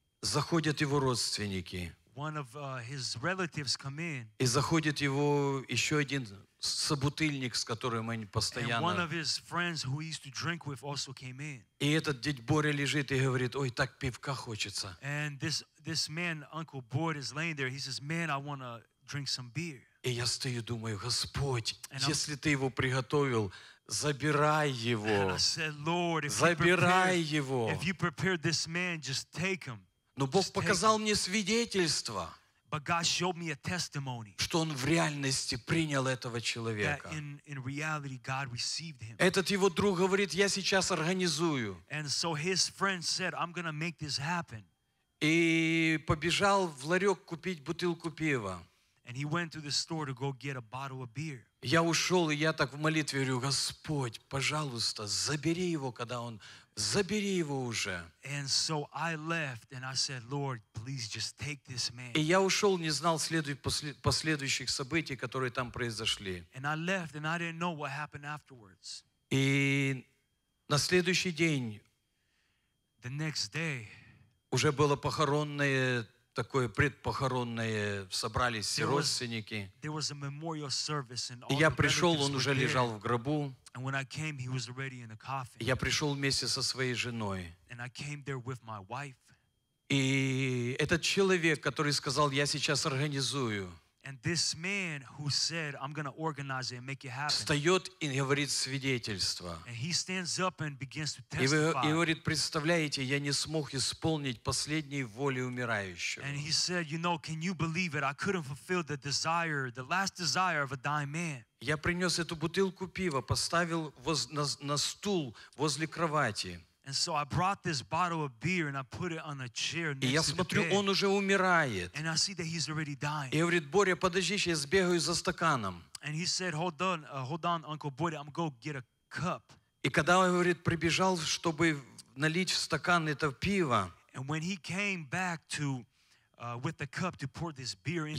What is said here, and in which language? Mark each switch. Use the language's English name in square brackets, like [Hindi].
[Russian] заходят его родственники. [English] One of his relatives come in. [Russian] И заходит его еще один собутыльник, с которым они постоянно. [English] And one of his friends who used to drink with also came in. [Russian] И этот дядь Боря лежит и говорит: «Ой, так пивка хочется». [English] And this man, Uncle Bort, is laying there. He says, "Man, I want to drink some beer." [Russian] И я стою, думаю: «Господь, если ты его приготовил, забирай его, забирай его». [English] If you prepared this man, just take him. [Russian] Но Бог показал мне свидетельство, что он в реальности принял этого человека. [English] In reality, God received him. [Russian] Этот его друг говорит: «Я сейчас организую». [English] And so his friend said, "I'm gonna make this happen." [Russian] И побежал в ларек купить бутылку пива. [English] And he went to the store to go get a bottle of beer. [Russian] Я ушел, и я так в молитве говорю: «Господь, пожалуйста, забери его, когда он... Забери его уже». [English] And so I left and I said, "Lord, please just take this man." [Russian] И я ушел, не знал последующих событий, которые там произошли. [English] And I left and I didn't know what happened afterwards. [Russian] И на следующий день, [English] the next day, [Russian] уже было похоронное, такое предпохоронное, собрались все родственники. [English] There was a memorial service, and [Russian] и я пришел, он уже лежал в гробу. [English] And when I came, he was already in the coffin. [Russian] Я пришел вместе со своей женой. [English] And I came there with my wife. [Russian] И этот человек, который сказал: "Я сейчас организую", [English] and this man who said, "I'm gonna organize it and make it happen", [Russian] встает и говорит свидетельство. [English] And he stands up and begins to testify. [Russian] И говорит: "Представляете, я не смог исполнить последней воли умирающего". [English] And he said, "You know, can you believe it? I couldn't fulfill the desire, the last desire of a dying man." [Russian] Я принес эту бутылку пива, поставил на стул возле кровати. [English] And so I brought this bottle of beer and I put it on a chair next to [Russian] смотрю, [English] the bed. [Russian] Он уже умирает. [English] And I see that he's already dying. [Russian] И говорит: "Боря, подожди, я сбегаю за стаканом". [English] And he said, hold on, Uncle Boy, I'm going to get a cup. [Russian] И когда он, говорит, прибежал, чтобы налить в стакан это пиво, [English] and when he came back to with the cup to pour this beer into